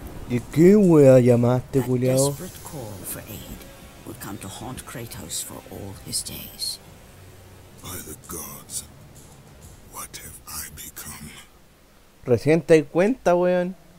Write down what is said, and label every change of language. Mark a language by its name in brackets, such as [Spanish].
[Spanish] ¿Y qué wea llamaste, culiao? [English] That desperate call for aid would come to haunt Kratos for all his days. By the gods, what have I become? [Spanish] Recién te di cuenta, weón.